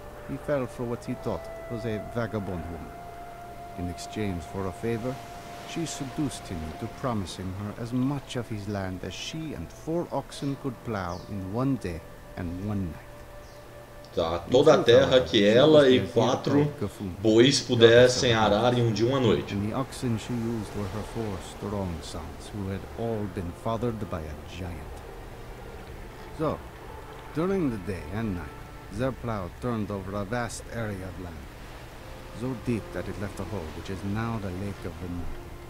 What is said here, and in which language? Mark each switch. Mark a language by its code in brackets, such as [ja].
[en] He fell for what he thought was a vagabond woman. In exchange for a favor, she seduced him into promising her as much of his land as she and four oxen could plow in one day and one night. [pt] Tá, toda a terra que ela e quatro bois pudessem arar em um dia e uma noite. [en] And the oxen she used were her four strong sons, who had all been fathered by a giant. So, during the day and night, their plow turned over a vast area of land, so deep that it left a hole, which is now the Lake of Vinmar.